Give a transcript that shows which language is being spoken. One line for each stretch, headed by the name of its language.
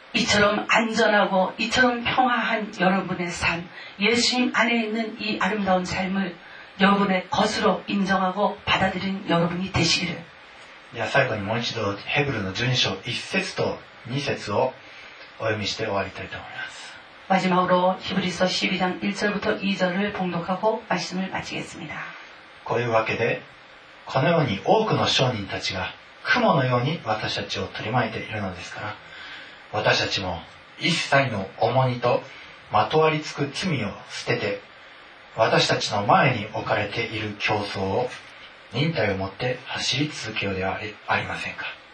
Korean: 이처럼안전하고이처럼평화한여러분의삶예수님안에있는이아름다운삶을여러분의것으로인정하고받아들인여러분이되시기를
Japanese: じゃあ最後にもう一度ヘブルの12章1節と2節をお読みして終わりたいと思います
Korean: 마지막으로히브리서12장1절부터2절을봉독하고말씀을마치겠습니다
Japanese: こういうわけで、このように多くの商人たちが雲のように私たちを取り巻いているのですから、私たちも一切の重荷とまとわりつく罪を捨てて、私たちの前に置かれている競争を忍耐をもって走り続けようではありませんか。